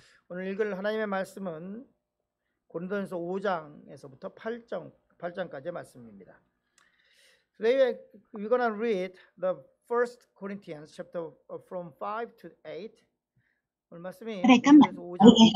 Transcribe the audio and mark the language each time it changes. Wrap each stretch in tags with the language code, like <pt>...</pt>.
<ko>오늘읽을하나님의말씀은고린도전서5장에서부터8장까지의말씀입니다.</ko> <en>Today we're gonna read the First Corinthians chapter from 5 to 8.</en> <ko>오늘말씀이그래그럼우리가</ko>